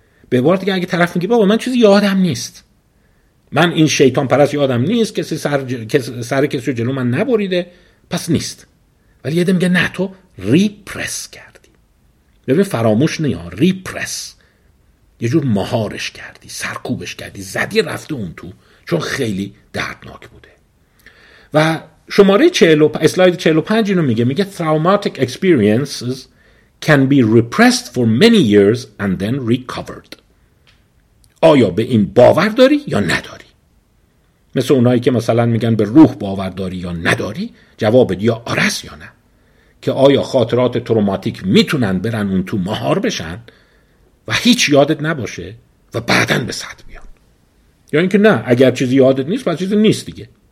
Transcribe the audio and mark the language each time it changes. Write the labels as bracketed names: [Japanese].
[Persian] به عبارت دیگه اگه طرف میگه بابا من چیزی یادم نیست، من این شیطان پرست یادم نیست، کسی سر کسی رو جلو من نبریده، پس نیست. ولی یه ده میگه نه تو ریپرس کردی، ببین فراموش نیا، ریپرس یه جور مهارش کردی، سرکوبش کردی، زدی رفته اون تو، چون خیلی دردناک بوده. و شماره 45 اسلاید 45 اینو میگه، میگه [English] traumatic experiences can be repressed for many years and then recovered. [Persian] آیا به این باور داری یا نداری؟ مثل اونایی که مثلا میگن به روح باور داری یا نداری، جوابت یا آرس یا نه، که آیا خاطرات تروماتیک میتونن برن اون تو مهار بشن و هیچ یادت نباشه و بعدن به سطح بیان، یا اینکه نه اگر چیزی یادت نیست پس چیزی نیست دیگه.